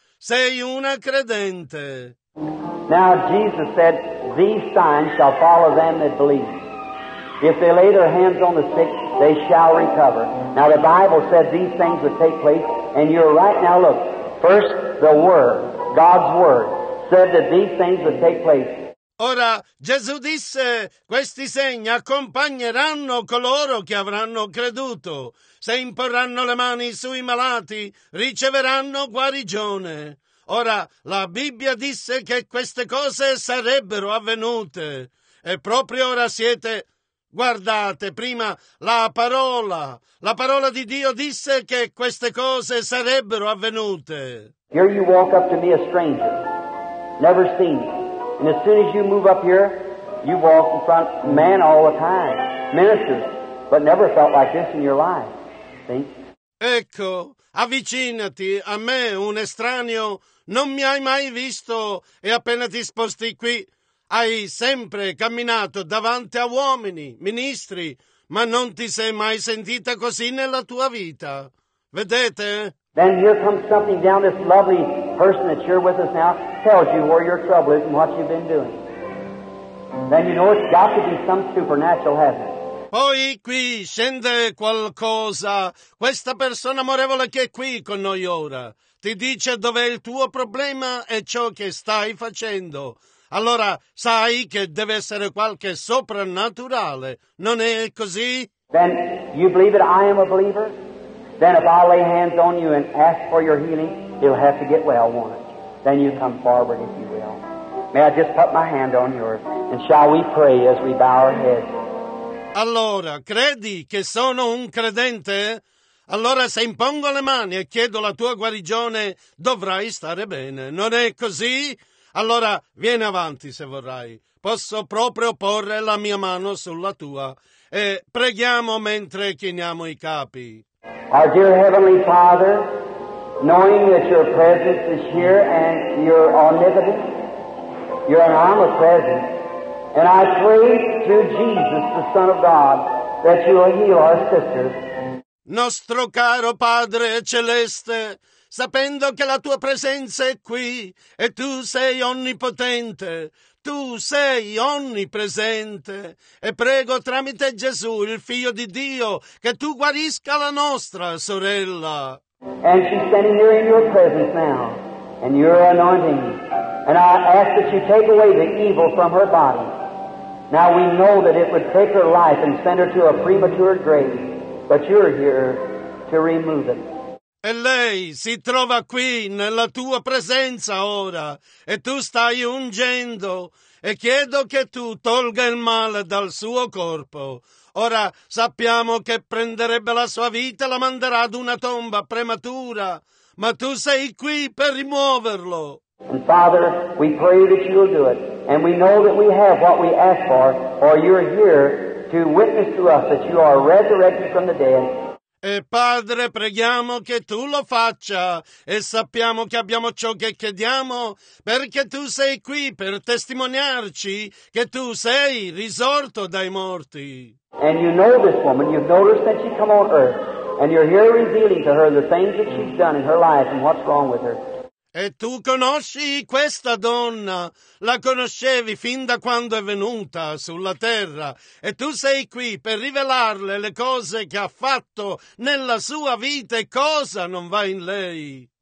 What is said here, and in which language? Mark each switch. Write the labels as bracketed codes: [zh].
[it] Sei una credente. [en] Now Jesus said, "These signs shall follow them that believe. If they lay their hands on the sick, they shall recover." Now the Bible said these things would take place, and you're right now. Look, first the Word, God's Word, said that these things would take place. [it] Ora Gesù disse, questi segni accompagneranno coloro che avranno creduto. Se imporranno le mani sui malati, riceveranno guarigione. Ora, la Bibbia disse che queste cose sarebbero avvenute. E proprio ora siete... Guardate, prima la parola di Dio disse che queste cose sarebbero avvenute. [en] Here you walk up to me a stranger, never seen you. And as soon as you move up here, you walk in front of men all the time, ministers, but never felt like this in your life. [it] Ecco, avvicinati a me, un estraneo, non mi hai mai visto e appena ti sposti qui, hai sempre camminato davanti a uomini, ministri, ma non ti sei mai sentita così nella tua vita. Vedete? [en] Then here comes something down, this lovely person that you're with us now tells you where your trouble is and what you've been doing. Then you know it's got to be some supernatural hazard. [it] Poi qui scende qualcosa. Questa persona amorevole che è qui con noi ora ti dice dov'è il tuo problema e ciò che stai facendo. Allora sai che deve essere qualche soprannaturale. Non è così? [en] Then you believe that I am a believer? Then if I lay hands on you and ask for your healing, you'll have to get well, won't it? Then you come forward if you will. May I just put my hand on yours and shall we pray as we bow our heads? [it] Allora, credi che sono un credente? Allora, se impongo le mani e chiedo la tua guarigione, dovrai stare bene. Non è così? Allora, vieni avanti se vorrai. Posso proprio porre la mia mano sulla tua. E preghiamo mentre chiniamo i capi. [en] Our dear Heavenly Father, knowing that your presence is here and you're omnipotent, you're an omnipresent, and I pray through Jesus, the Son of God, that you will heal our sisters. [it] Nostro caro Padre Celeste, sapendo che la tua presenza è qui e tu sei onnipotente. Tu sei onnipresente e prego tramite Gesù, il Figlio di Dio, che tu guarisca la nostra sorella. [en] And she's standing here in your presence now, and you're anointing. And I ask that you take away the evil from her body. Now we know that it would take her life and send her to a premature grave, but you're here to remove it. [it] E lei si trova qui nella tua presenza ora e tu stai ungendo e chiedo che tu tolga il male dal suo corpo. Ora sappiamo che prenderebbe la sua vita e la manderà ad una tomba prematura, ma tu sei qui per rimuoverlo. [en] And Father, we pray that you'll do it, and we know that we have what we ask for, or you're here to witness to us that you are resurrected from the dead. [it] E Padre, preghiamo che tu lo faccia e sappiamo che abbiamo ciò che chiediamo perché tu sei qui per testimoniarci che tu sei risorto dai morti. [en] And you know this woman, you've noticed that she come on earth and you're here revealing to her the things that she's done in her life and what's wrong with her. [it] E tu conosci questa donna, la conoscevi fin da quando è venuta sulla terra, e tu sei qui per rivelarle le cose che ha fatto nella sua vita e cosa non va in lei.